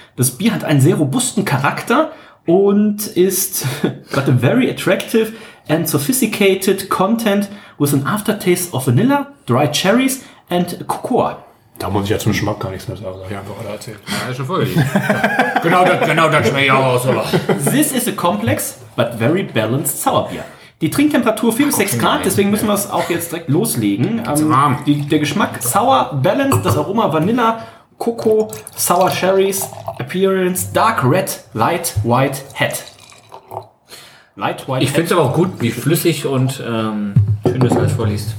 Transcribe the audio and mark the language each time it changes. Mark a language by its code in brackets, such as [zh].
[de] Das Bier hat einen sehr robusten Charakter und ist [en] got a very attractive and sophisticated content with an aftertaste of vanilla, dry cherries and cocoa. [de] Da muss ich ja zum Geschmack gar nichts mehr sagen. Ja, einfach alle erzählt. Ja, ist schon voll. genau das schmeckt auch aus. [en] This is a complex but very balanced sour beer. [de] Die Trinktemperatur 4-6 Grad, deswegen müssen wir es auch jetzt direkt loslegen. Der Geschmack [en] sour, balanced, [de] das Aroma [en] Vanilla, Coco, Sour Cherries, Appearance, Dark Red, Light White Head. Light White. [de] Ich finde es aber auch gut, wie flüssig und schön du es alles vorliest.